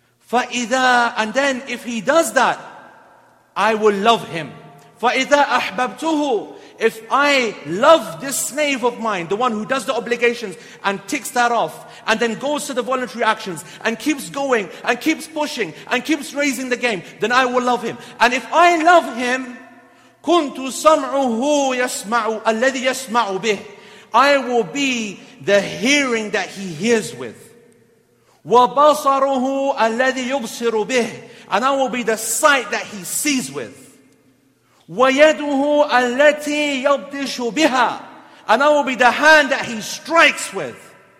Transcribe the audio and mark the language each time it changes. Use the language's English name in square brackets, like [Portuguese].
[Arabic] فَإِذَا, [English] and then if he does that, I will love him. [Arabic] فَإِذَا أَحْبَبْتُهُ. [English] If I love this slave of mine, the one who does the obligations and ticks that off and then goes to the voluntary actions and keeps going and keeps pushing and keeps raising the game, then I will love him. And if I love him, [Arabic] كُنْتُ سَمْعُهُ يَسْمَعُ الَّذِي يَسْمَعُ بِهِ. [English] I will be the hearing that he hears with. [Arabic] وَبَصَرُهُ الَّذِي يُبْصِرُ بِهِ. [English] And I will be the sight that he sees with. [Arabic] وَيَدُهُ الَّتِي يَبْدِشُ بِهَا. [English] And I will be the hand that he strikes with.